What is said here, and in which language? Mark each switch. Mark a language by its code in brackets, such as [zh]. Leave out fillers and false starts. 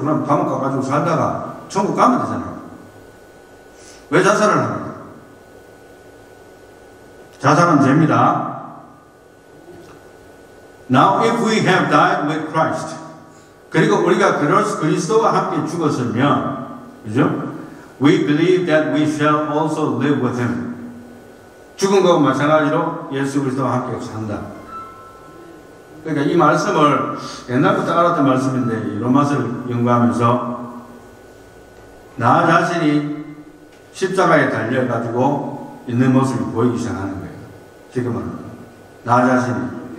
[ko] 그럼 감옥 가가지고 살다가 천국 가면 되잖아요. 왜 자살을 합니까? 자살은 죄입니다. [en] Now if we have died with Christ. [ko] 그리고 우리가 그리스도와 함께 죽었으면, 그죠? [en] We believe that we shall also live with him. [ko] 죽은 것과 마찬가지로 예수 그리스도와 함께 산다. 그러니까 이 말씀을 옛날부터 알았던 말씀인데, 로마서를 연구하면서 나 자신이 십자가에 달려가지고 있는 모습이 보이기 시작하는 거예요. 지금은. 나 자신이.